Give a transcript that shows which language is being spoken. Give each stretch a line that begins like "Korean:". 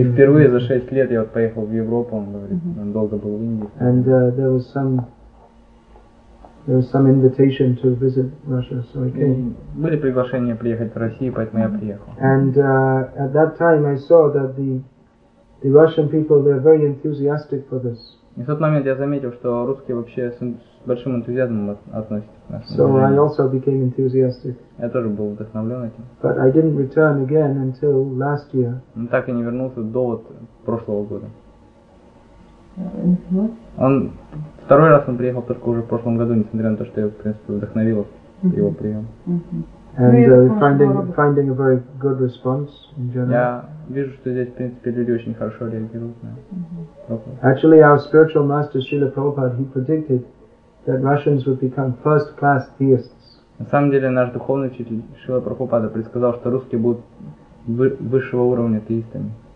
Russian: И впервые за 6 лет я вот поехал в Европу, он говорит, mm-hmm. он долго был в Индии.
English: And there was some invitation to visit Russia, so I came.
Russian: Были приглашения приехать в Россию, поэтому я приехал.
English: And at that time I saw that the Russian people, they're very enthusiastic for this.
Russian: И в тот момент я заметил, что русские вообще с большим энтузиазмом относятся к нас.
English: So I also became enthusiastic.
Russian: Я тоже был вдохновлен этим.
English: But I didn't return again until last year.
Russian: Но так и не вернулся до вот прошлого года. Mm-hmm. Он второй раз он приехал только уже в прошлом году, несмотря на то, что я, в принципе, вдохновил mm-hmm. его прием. Mm-hmm.
English: And finding a very good response in general.
Russian: Я вижу, что здесь, в принципе, люди очень хорошо реагируют на mm-hmm.
English: Actually, our spiritual master Srila Prabhupada, he predicted that Russians would become first-class theists.
Russian: На самом деле, наш духовный учитель Шрила Прабхупада предсказал, что русские будут высшего уровня теистами.